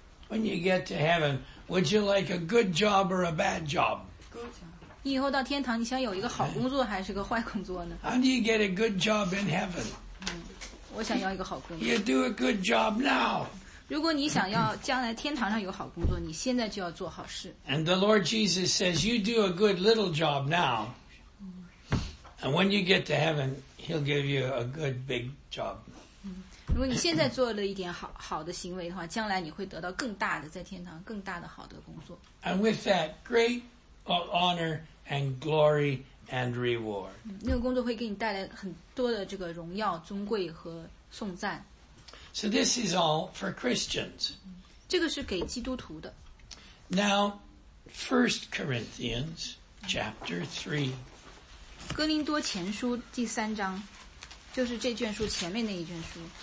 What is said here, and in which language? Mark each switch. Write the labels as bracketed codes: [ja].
[en] When you get to heaven, would you like a good job or a bad job? Good job. [zh] 你以后到天堂，你想有一个好工作还是个坏工作呢？ [en] How do you get a good job in heaven? [zh] 我想要一个好工作。 [en] You do a good job now. [zh] 如果你想要将来天堂上有好工作，你现在就要做好事。 [en] And the Lord Jesus says, you do a good little job now, and when you get to heaven, he'll give you a good big job. [zh] 如果你现在做了一点好的行为的话，将来你会得到更大的，在天堂更大的好的工作。 [en] And with that, great honor and glory and reward. [zh] 那个工作会给你带来很多的这个荣耀、尊贵和颂赞。 [en] So this is all for Christians. [zh] 这个是给基督徒的。 [en] Now, 1 Corinthians chapter 3. [zh] 哥林多前书第三章，就是这卷书前面那一卷书。